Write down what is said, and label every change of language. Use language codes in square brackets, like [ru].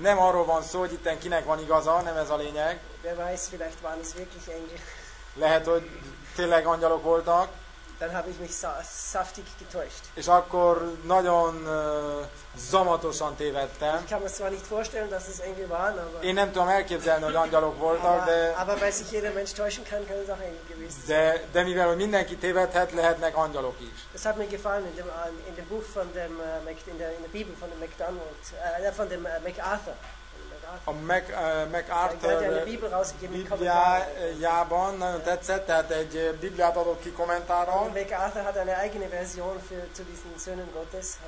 [hu] Nem arról van szó, hogy itten kinek van igaza, nem ez a lényeg. [de] Wer weiß, vielleicht waren es wirklich Engel. [hu] Lehet, hogy tényleg angyalok voltak. [de] Dann habe ich mich saftig getäuscht. [hu] És akkor nagyon zamatosan tévedtem. [de] Ich kann mir zwar nicht vorstellen, dass es Engel waren, aber [hu] én nem tudom elképzelni, hogy angyalok voltak, de [de] aber weil sich jeder Mensch täuschen kann, kann es auch Engel gewesen sein. [hu] De mivel mindenki tévedhet, lehetnek angyalok is. [de] Es hat mir gefallen in dem Buch von dem in der Bibel von dem McDonald, von dem MacArthur. [hu] A MacArthur Bibliájában nagyon tetszett, tehát egy Bibliát adott ki kommentára. [de] MacArthur hat eine eigene Version für zu diesen Söhnen Gottes.